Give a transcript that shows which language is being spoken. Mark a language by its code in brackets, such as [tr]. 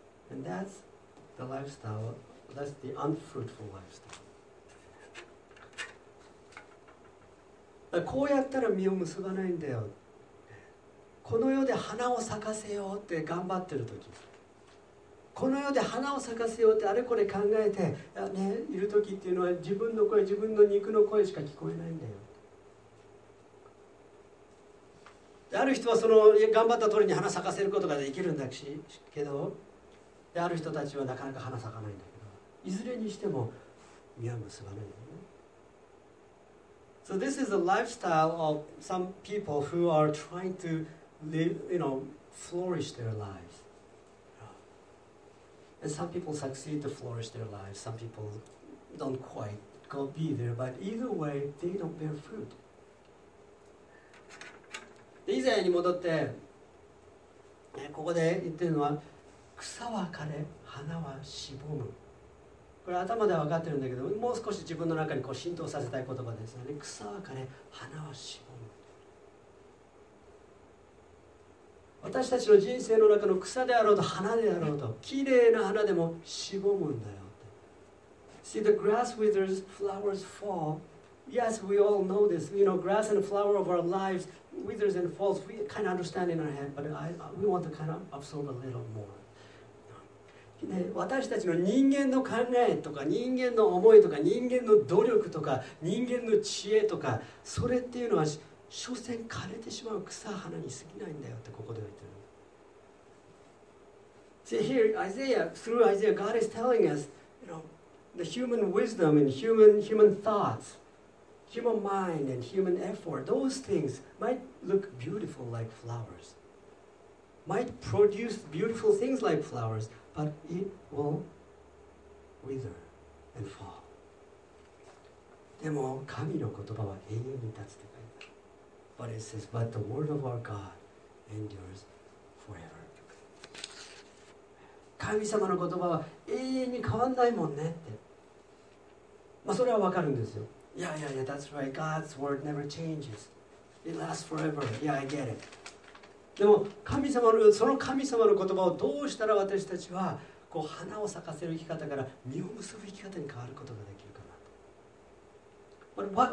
[en] And that's the lifestyle, that's the unfruitful lifestyle. [ja] こうやったら実を結ばないんだよ。この世で花を咲かせようって頑張ってる時、この世で花を咲かせようってあれこれ考えて、ね、いる時っていうのは自分の声、自分の肉の声しか聞こえないんだよ。ある人はその頑張った通りに花咲かせることができるんだけど、ある人たちはなかなか花咲かないんだけど、いずれにしても実は結ばないんだよ。 [en] So this is the lifestyle of some people who are trying to live, you know, flourish their lives. And some people succeed to flourish their lives, some people don't quite go be there, but either way, they don't bear fruit. [ja] 以前に戻って、ね、ここで言ってるのは草は枯れ花はしぼむ、これ頭では分かってるんだけど、もう少し自分の中にこう浸透させたい言葉ですよね。草は枯れ花はしぼむ、私たちの人生の中の草であろうと花であろうと、きれいな花でもしぼむんだよ。 [en] See the grass withers, flowers fall. Yes, we all know this. You know, grass and flower of our lives withers and falls. We kind of understand in our head, but we want to kind of absorb a little more. [ja] ね、私たちの人間の考えとか人間の思いとか人間の努力とか人間の知恵とか、それっていうのは所詮枯れてしまう草花に過ぎないんだよってここで言ってる。 [en] See here, Isaiah, through Isaiah, God is telling us, you know, the human wisdom and human thoughts, human mind and human effort, those things might look beautiful like flowers, might produce beautiful things like flowers. But it will wither and fall. [ja] でも神の言葉は永遠に立つって書いてある。 [en] But it says, but the word of our God endures forever. [ja] 神様の言葉は永遠に変わんないもんねって。まあそれはわかるんですよ。 [en] Yeah, that's right. God's word never changes. It lasts forever. Yeah, I get it. [ja] でも神様のその神様の言葉をどうしたら私たちはこう花を咲かせる生き方から実を結ぶ生き方に変わることができるかなと。